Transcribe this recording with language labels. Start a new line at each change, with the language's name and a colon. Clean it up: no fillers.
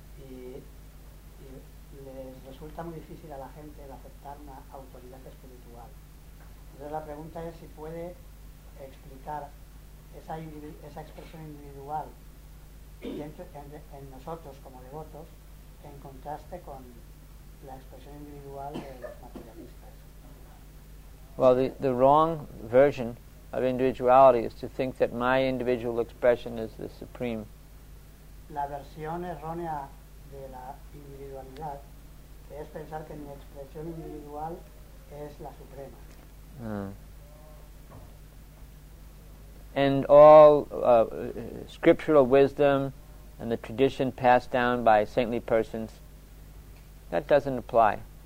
Spanish: y les resulta muy difícil a la gente el aceptar una autoridad espiritual. Entonces la pregunta es si puede explicar esa expresión individual en nosotros como devotos en contraste con la expresión individual de los materialistas.
English: Well, the wrong version of individuality is to think that my individual expression is the supreme.
Spanish: La versión errónea de la individualidad es pensar que mi expresión individual es la suprema.
English: And all scriptural wisdom and the tradition passed down by saintly persons, that doesn't apply.